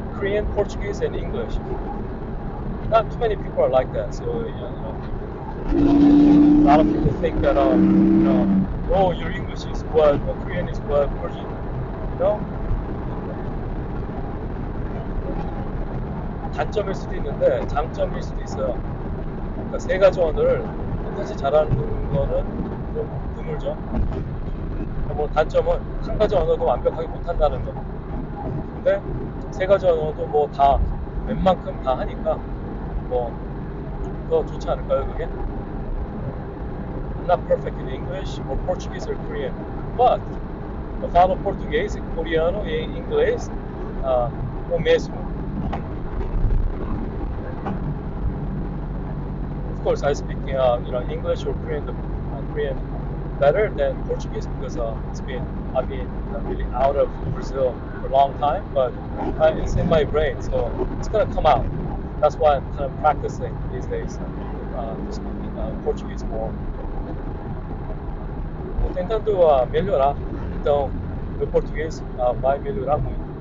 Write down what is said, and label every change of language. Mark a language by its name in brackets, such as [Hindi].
[English] Korean, Portuguese, and English. Not too many people are like that. So, you know, A lot of people think that, your English is good, or Korean is good, or you know? [Korean] 단점일 수도 있는데, 장점일 수도 있어요. 그러니까 세 가지 언어를 똑같이 잘하는 거는 좀 드물죠. 뭐 단점은 한 가지 언어도 완벽하게 못한다는 거. 근데 세 가지 언어도 뭐 다, 웬만큼 다 하니까 뭐 더 좋지 않을까요, 그게? [English] Not perfect in English or Portuguese or Korean, but the final Portuguese, Coreano, English, [Portuguese] o mesmo. [English] Of course, I speak English or Korean, Korean better than Portuguese because I've been really out of Brazil for a long time, but it's in my brain, so it's gonna come out. That's why I'm kind of practicing these days, speaking Portuguese more. [Portuguese] Tentando melhorar, então, meu português vai melhorar muito.